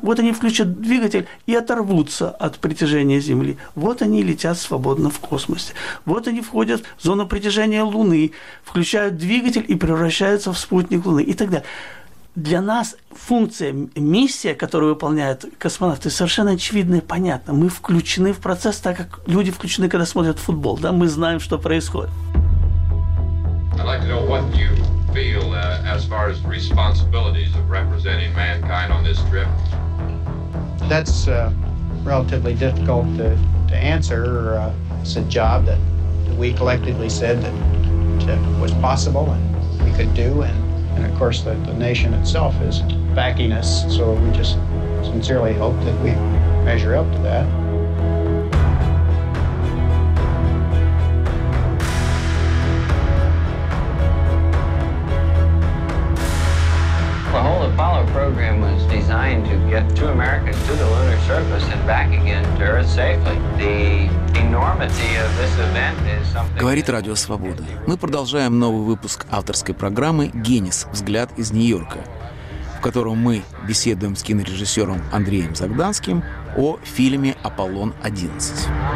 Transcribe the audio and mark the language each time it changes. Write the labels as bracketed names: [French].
[Russian] Вот они включат двигатель и оторвутся от притяжения Земли, вот они летят свободно в космосе, вот они входят в зону притяжения Луны, включают двигатель и превращаются в спутник Луны и так далее. Для нас функция, миссия, которую выполняют космонавты, совершенно очевидна и понятна. Мы включены в процесс, так как люди включены, когда смотрят футбол. Да? Мы знаем, что происходит. [English] I'd like to know what you feel as far as the responsibilities of representing mankind on this trip. That's relatively difficult to answer. It's a job that we collectively said that was possible and we could do. And of course, the nation itself is backing us, so we just sincerely hope that we measure up to that. The whole Apollo program was designed to get two Americans to the lunar surface and back again to Earth safely. The enormity of this event is something... [Russian] Говорит Радио Свобода. Мы продолжаем новый выпуск авторской программы «Генис. Взгляд из Нью-Йорка», в котором мы беседуем с кинорежиссером Андреем Загданским о фильме «Аполлон-11».